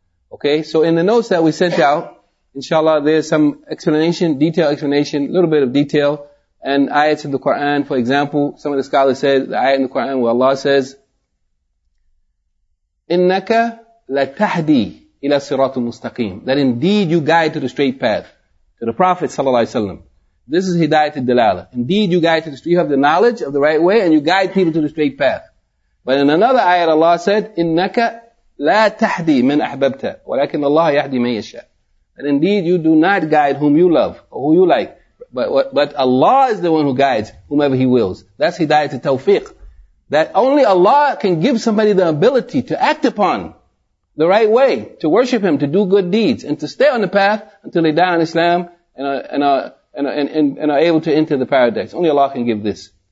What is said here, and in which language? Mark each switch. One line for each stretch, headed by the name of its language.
English: Okay, so in the notes that we sent out, inshallah, there's some explanation, detailed explanation, a little bit of detail, and ayats in the Quran, for example, some of the scholars said, the ayat in the Quran where Allah says,
Arabic: إِنَّكَ لَتَحْدِي إِلَى الصِّرَاطُ الْمُسْتَقِيمُ,
English: that indeed you guide to the straight path, to the Prophet sallallahu alayhi wa sallam. This is hidayat al-dalala. Indeed you guide to the straight, you have the knowledge of the right way, and you guide people to the straight path. But in another ayat, Allah said,
Arabic: إِنَّكَ لَا تَحْدِي مِنْ أَحْبَبْتَ وَلَكِنَّ اللَّهَ يَحْدِي مَنْ يَشَاءُ.
English: And indeed you do not guide whom you love or who you like. But Allah is the one who guides whomever He wills. That's hidayat al-tawfiq. That only Allah can give somebody the ability to act upon the right way, to worship Him, to do good deeds, and to stay on the path until they die in Islam and are able to enter the paradise. Only Allah can give this.